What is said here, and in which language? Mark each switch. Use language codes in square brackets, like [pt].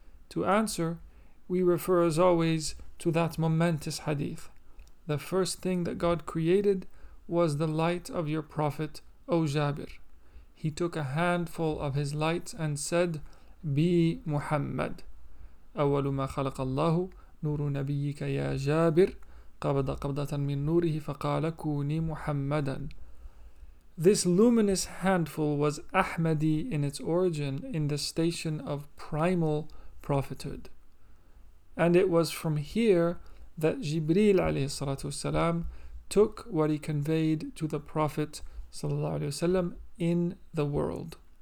[en] To answer, we refer as always to that momentous hadith. The first thing that God created was the light of your prophet, O Jabir. He took a handful of his light and said, Be Muhammad. [ar] أول ما خلق الله نور نبيك يا جابر قبض قبضة من نوره فقال كوني محمدا. [en] This luminous handful was Ahmadi in its origin, in the station of primal prophethood. And it was from here that Jibril [ar] عليه الصلاة والسلام [en] took what he conveyed to the Prophet [ar] صلى الله عليه وسلم [en] in the world.